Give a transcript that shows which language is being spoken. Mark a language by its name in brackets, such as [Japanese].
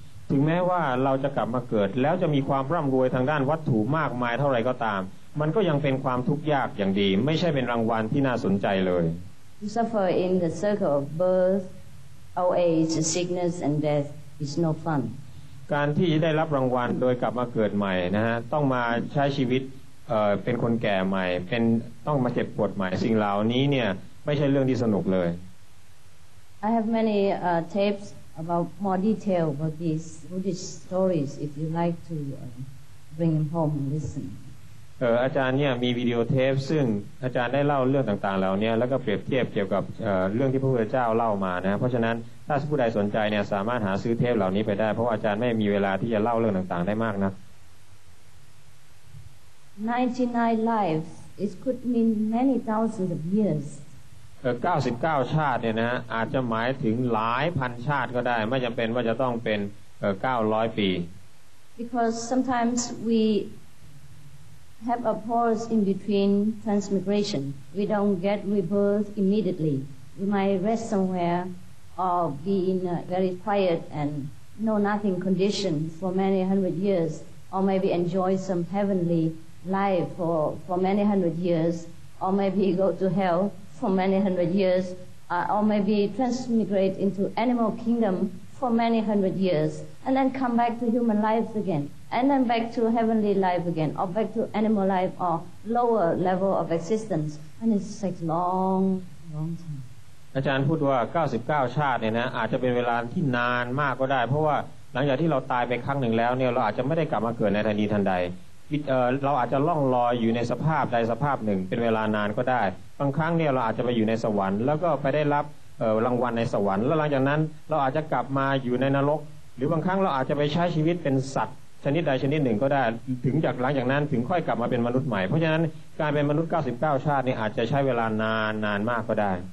[Thai] ถึงแม้ว่าเราจะกลับมาเกิดแล้วจะมีความร่ำรวยทางด้านวัตถุมากมายเท่าไรก็ตามมันก็ยังเป็นความทุกข์ยากอย่างดีไม่ใช่เป็นรางวัลที่น่าสนใจเลย [English] To suffer in the circle of birth, old age, sickness and death is no fun [Thai] การที่ได้รับรางวัลโดยกลับมาเกิดใหม่นะฮะต้องมาใช้ชีวิตเป็นคนแก่ใหม่เป็นต้องมาเจ็บปวดใหม่สิ่งเหล่านี้เนี่ยไม่ใช่เรื่องที่สนุกเลย [English] I have many tapesAbout more detail about these Buddhist stories, if you like to bring him home and listen. [Thai] อาจารย์เนี่ยมีวิดีโอเทปซึ่งอาจารย์ได้เล่าเรื่องต่างๆเหล่านี้แล้วก็เปรียบเทียบเกี่ยวกับเรื่องที่พระพุทธเจ้าเล่ามานะเพราะฉะนั้นถ้าผู้ใดสนใจเนี่ยสามารถหาซื้อเทปเหล่านี้ไปได้เพราะอาจารย์ไม่มีเวลาที่จะเล่าเรื่องต่างๆได้มากนะ [English] 99 lives. It could mean many thousands of years. [Thai] 99ชาติเนี่ยนะอาจจะหมายถึงหลายพันชาติก็ได้ไม่จำเป็นว่าจะต้องเป็น900ปี [English] Because sometimes we have a pause in between transmigration we don't get rebirth immediately we might rest somewhere or be in a very quiet and know nothing condition for many hundred years or maybe enjoy some heavenly life for many hundred years or maybe go to hellfor many hundred years or maybe transmigrate into animal kingdom for many hundred years and then come back to human life again and then back to heavenly life again or back to animal life or lower level of existence and it's like long long time [Thai] อาจารย์พูดว่า99ชาติเนี่ยนะอาจจะเป็นเวลาที่นานมากก็ได้เพราะว่าหลังจากที่เราตายไปครั้งหนึ่งแล้วเนี่ยเราอาจจะไม่ได้กลับมาเกิดในทันทีทันใดเราอาจจะล่องลอยอยู่ในสภาพใดสภาพหนึ่งเป็นเวลานานก็ได้บางครั้งเนี่ยเราอาจจะไปอยู่ในสวรรค์แล้วก็ไปได้รับรางวัลในสวรรค์แล้วหลังจากนั้นเราอาจจะกลับมาอยู่ในนรกหรือบางครั้งเราอาจจะไปใช้ชีวิตเป็นสัตว์ชนิดใดชนิดหนึ่งก็ได้ถึงจากหลังจากนั้นถึงค่อยกลับมาเป็นมนุษย์ใหม่เพราะฉะนั้นการเป็นมนุษย์99ชาตินี่อาจจะใช้เวลานานนานมากก็ได